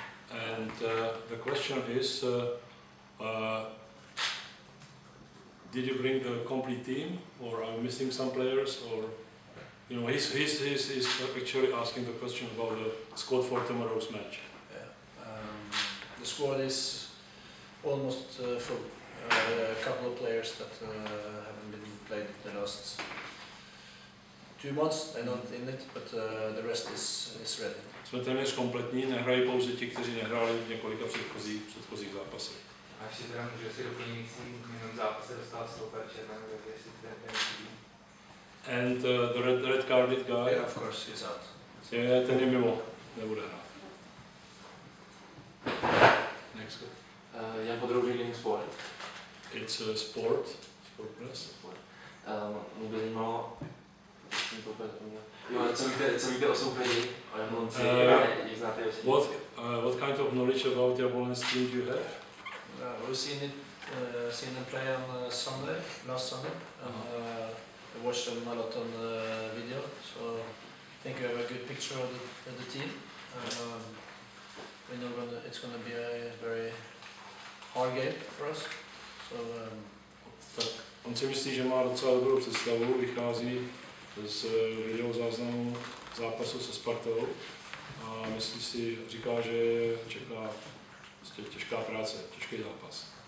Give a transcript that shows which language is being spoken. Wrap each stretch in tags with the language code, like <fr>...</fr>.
<en>And the question is, did you bring the complete team, or are you missing some players, or you know, he's actually asking the question about the squad for tomorrow's match. Yeah, the squad is almost full. A couple of players that haven't been played the last 2 months, they're not in it, but the rest is ready.</en> <cs>Jsme téměř kompletní, nehrají pouze ti, kteří nehráli v několika předchozích zápasech. A ještě teda můžu si doplnit, jak jsem v jednom zápase dostal stoper černého, tak jestli to je</cs> <en>ten and the red carded guy? Yeah, of course, he's out.</en> <cs>Yeah, ten je mimo, nebude hrát.</cs> <en>Next go.</en> <cs>Jak podrobí jen sport?</cs> <en>It's a sport. Sport press. Sport.</en> <cs>Mě by zajímalo,</cs> <en>What kind of knowledge about Jablonec team do you have? We've seen them play on Sunday, last Sunday, and watched them a lot on the video. So I think we have a good picture of the team. We know it's going to be a very hard game for us. So.</en> <cs>Tak on si myslí, že má docela dobrou představu, vychází z video záznamu zápasu se Spartou a myslí si, říká, že čeká vlastně těžká práce, těžký zápas.</cs>